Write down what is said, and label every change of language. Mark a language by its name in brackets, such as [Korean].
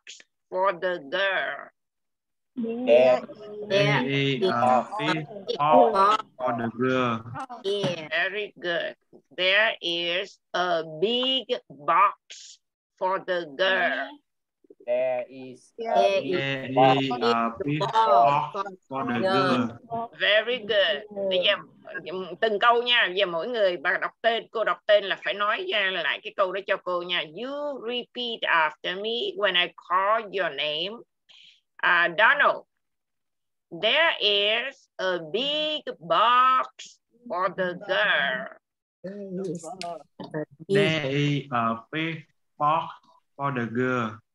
[English] There is a big box for the girl. Very good. There is a big box for the girl. There is a big box for the girl. Very good. [Vietnamese] Bây giờ từng câu nha. Bây giờ mỗi người bạn đọc tên, cô đọc tên là phải nói ra lại cái câu đó cho cô nha. [English] You repeat after me when I call your name. Donald, there is a big box for the girl. There is a big box for the girl.